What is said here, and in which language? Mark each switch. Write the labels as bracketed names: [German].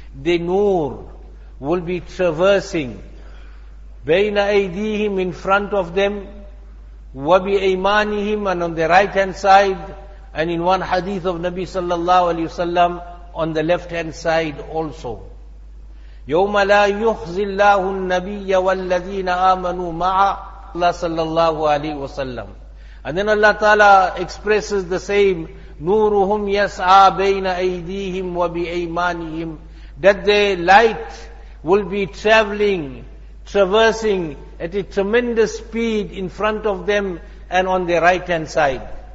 [English] The nur will be traversing [Arabic] بَيْنَ أَيْدِيهِمْ, [English] in front of them, [Arabic] وَبِأَيْمَانِهِمْ, [English] and on the right hand side, and in one hadith of Nabi sallallahu alayhi wasallam, on the left hand side also. [Arabic] يَوْمَ لَا يُخْزِ اللَّهُ النَّبِيَّ وَالَّذِينَ آمَنُوا مَعَ اللَّهِ sallallahu alayhi wasallam. [English] And then Allah Ta'ala expresses the same, [Arabic] نُورُهُمْ يَسْعَى بَيْنَ أَيْدِيهِمْ وَبِأَيْمَانِهِمْ, [English] that the light will be traveling, traversing at a tremendous speed in front of them and on the right hand side.